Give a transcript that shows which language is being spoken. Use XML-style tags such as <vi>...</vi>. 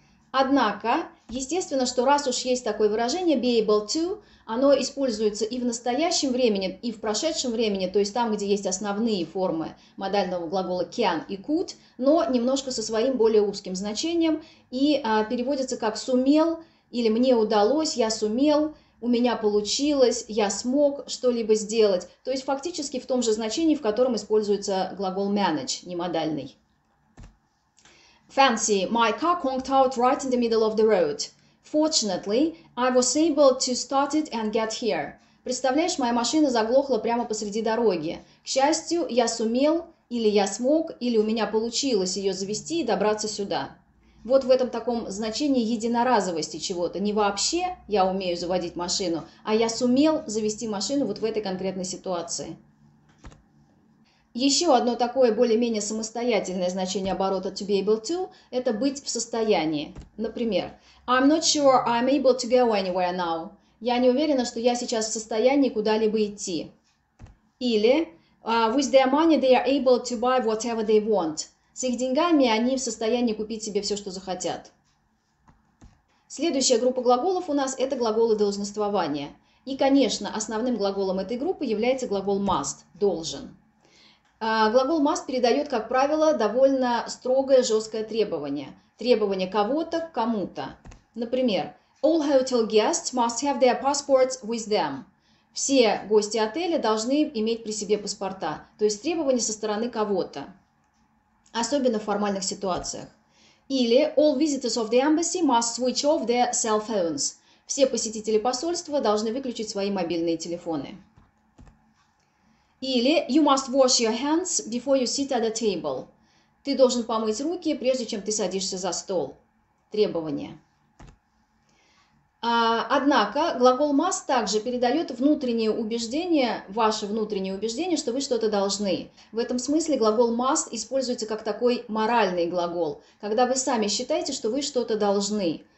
<ru>Однако, естественно, что раз уж есть такое выражение be able to, оно используется и в настоящем времени, и в прошедшем времени, то есть там, где есть основные формы модального глагола can и could, но немножко со своим более узким значением и переводится как сумел или мне удалось, я сумел, у меня получилось, я смог что-либо сделать. То есть фактически в том же значении, в котором используется глагол manage, не модальный.</ru> <en>Fancy, my car conked out right in the middle of the road. Fortunately, I was able to start it and get here.</en> <ru>Представляешь, моя машина заглохла прямо посреди дороги. К счастью, я сумел, или я смог, или у меня получилось ее завести и добраться сюда. Вот в этом таком значении единоразовости чего-то. Не вообще я умею заводить машину, а я сумел завести машину вот в этой конкретной ситуации. Еще одно такое более-менее самостоятельное значение оборота to be able to – это быть в состоянии. Например,</ru> <en>I'm not sure I'm able to go anywhere now.</en> <ru>Я не уверена, что я сейчас в состоянии куда-либо идти. Или</ru> <en>with their money they are able to buy whatever they want.</en> <ru>С их деньгами они в состоянии купить себе все, что захотят. Следующая группа глаголов у нас – это глаголы должноствования. И, конечно, основным глаголом этой группы является глагол must – должен. Глагол must передает, как правило, довольно строгое, жесткое требование. Требование кого-то к кому-то. Например,</ru> <en>all hotel guests must have their passports with them.</en> <ru>Все гости отеля должны иметь при себе паспорта. То есть требование со стороны кого-то. Особенно в формальных ситуациях. Или</ru> <en>all visitors of the embassy must switch off their cell phones.</en> <ru>Все посетители посольства должны выключить свои мобильные телефоны. Или</ru> <en>you must wash your hands before you sit at a table.</en> <ru>Ты должен помыть руки, прежде чем ты садишься за стол. Требование. Однако глагол must также передает внутреннее убеждение, ваше внутреннее убеждение, что вы что-то должны. В этом смысле глагол must используется как такой моральный глагол, когда вы сами считаете, что вы что-то должны.</ru>